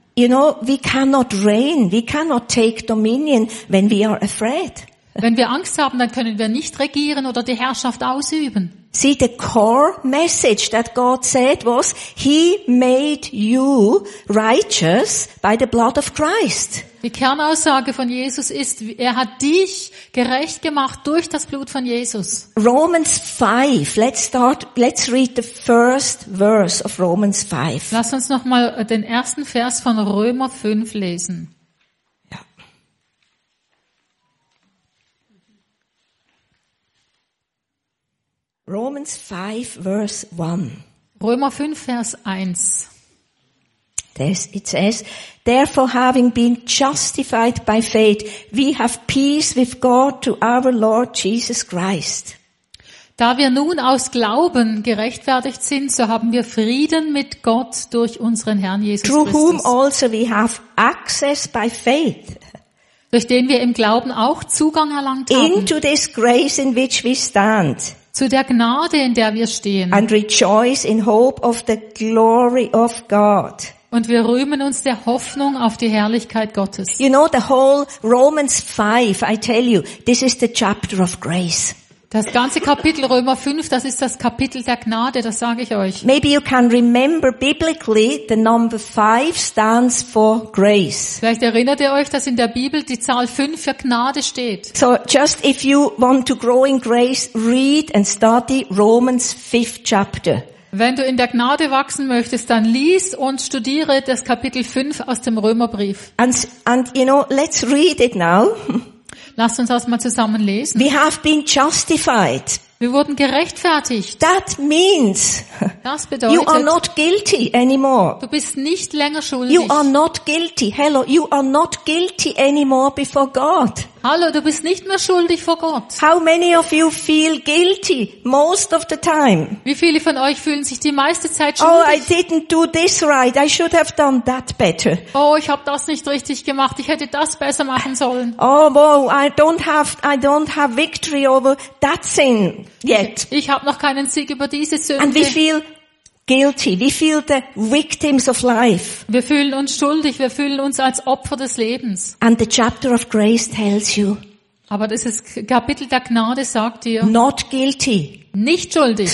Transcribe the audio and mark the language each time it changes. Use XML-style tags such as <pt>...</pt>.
<en>You know, we cannot reign, we cannot take dominion when we are afraid.</en> <de>Wenn wir Angst haben, dann können wir nicht regieren oder die Herrschaft ausüben.</de> <en>See, the core message that God said was, he made you righteous by the blood of Christ.</en> <de>Die Kernaussage von Jesus ist, er hat dich gerecht gemacht durch das Blut von Jesus.</de> <en>Romans 5, let's read the first verse of Romans 5.</en> <de>Lass uns nochmal den ersten Vers von Römer 5 lesen.</de> <en>Romans 5, verse 1.</en> <de>Römer 5, Vers 1.</de> <en>It says, therefore having been justified by faith, we have peace with God through our Lord Jesus Christ.</en> <de>Da wir nun aus Glauben gerechtfertigt sind, so haben wir Frieden mit Gott durch unseren Herrn Jesus</de> <en>through</en> <de>Christus.</de> <en>Through whom also we have access by faith.</en> <de>Durch den wir im Glauben auch Zugang erlangt haben.</de> <en>Into this grace in which we stand.</en> <de>Zu der Gnade, in der wir stehen.</de> <en>And rejoice in hope of the glory of God.</en> <de>Und wir rühmen uns der Hoffnung auf die Herrlichkeit Gottes.</de> <en>You know, the whole Romans 5, I tell you, this is the chapter of grace.</en> <de>Das ganze Kapitel Römer 5, das ist das Kapitel der Gnade, das sage ich euch.</de> <en>Maybe you can remember biblically the number 5 stands for grace.</en> <de>Vielleicht erinnert ihr euch, dass in der Bibel die Zahl 5 für Gnade steht.</de> <en>So just if you want to grow in grace, read and study Romans 5th chapter.</en> <de>Wenn du in der Gnade wachsen möchtest, dann lies und studiere das Kapitel 5 aus dem Römerbrief.</de> <en>And you know, let's read it now.</en> <de>Lasst uns das mal zusammen lesen.</de> <en>We have been justified.</en> <de>Wir wurden gerechtfertigt.</de> <en>That means,</en> <de>das bedeutet,</de> <en>you are not guilty anymore.</en> <de>Du bist nicht länger schuldig.</de> <en>You are not guilty. Hello, you are not guilty anymore before God.</en> <de>Hallo, du bist nicht mehr schuldig vor Gott.</de> <en>How many of you feel guilty most of the time?</en> <de>Wie viele von euch fühlen sich die meiste Zeit schuldig?</de> <en>Oh, I didn't do this right. I should have done that better.</en> <de>Oh, ich habe das nicht richtig gemacht. Ich hätte das besser machen sollen.</de> <en>Oh, wow, I don't have victory over that sin yet.</en> <de>Ich habe noch keinen Sieg über diese Sünde.</de> <en>And we feel guilty. We feel the victims of life.</en> <de>Wir fühlen uns schuldig. Wir fühlen uns als Opfer des Lebens.</de> <en>And the chapter of grace tells you.</en> <de>Aber das ist Kapitel der Gnade sagt dir.</de> <en>Not guilty.</en> <de>Nicht schuldig.</de>